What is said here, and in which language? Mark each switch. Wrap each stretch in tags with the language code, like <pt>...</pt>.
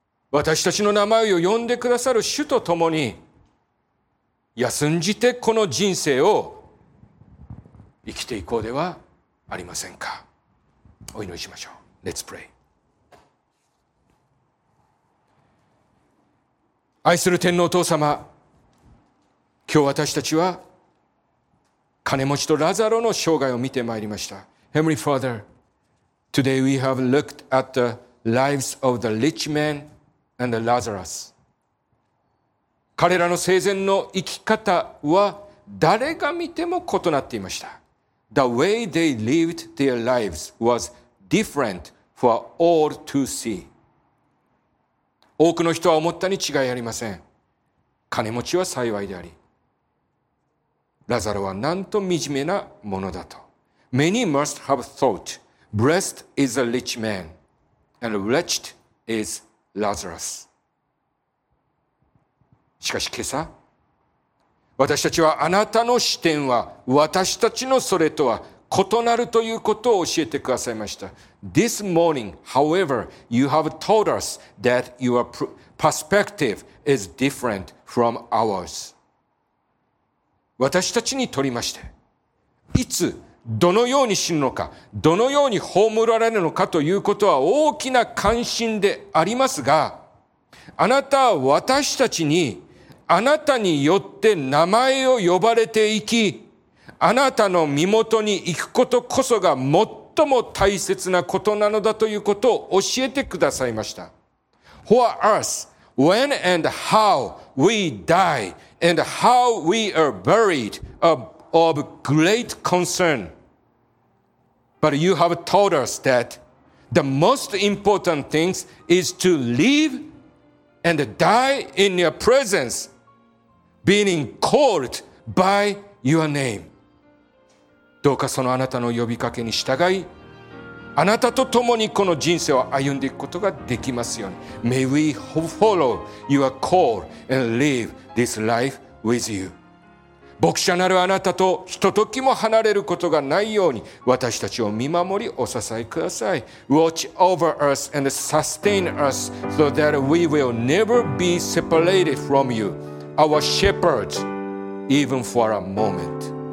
<ja>私たちの名前を呼んでくださる主と共に休んじてこの人生を生きていこうではありませんか。お祈りしましょう。</ja> <en>Let's pray。</en> <ja>愛する天皇お父様、今日私たちは金持ちとラザロの生涯を見てまいりました。</ja> <en>Heavenly Father, today we have looked at the lives of the rich man and the Lazarus.</en> <ja>彼らの生前の生き方は誰が見ても異なっていました。</ja> <en>The way they lived their lives was different for all to see.</en> <ja>多くの人は思ったに違いありません。金持ちは幸いであり、ラザロはなんと惨めなものだと。</ja> <en>Many must have thought, blessed is a rich man, and wretched is Lazarus.</en> <ja>しかし今朝、私たちはあなたの視点は私たちのそれとは異なるということを教えてくださいました。</ja> <en>This morning, however, you have told us that your perspective is different from ours.</en> <ja>私たちにとりまして、いつ、どのように死ぬのか、どのように葬られるのかということは大きな関心でありますが、あなたは私たちに、あなたによって名前を呼ばれていき、あなたの身元に行くことこそが最も大切なことなのだということを教えてくださいました。</ja> <en>For us, when and how we die,And how we are buried of great concern. But you have taught us that the most important thing is to live and die in your presence, being called by your name.</en> <ja>どうかそのあなたの呼びかけに従い、あなたと共にこの人生を歩んでいくことができますように。</ja> <en>May we follow your call and live this life with you.</en> <ja>牧者なるあなたとひとときも離れることがないように私たちを見守りお支えください。</ja> <en>Watch over us and sustain us so that we will never be separated from you, our shepherds, even for a moment.</en>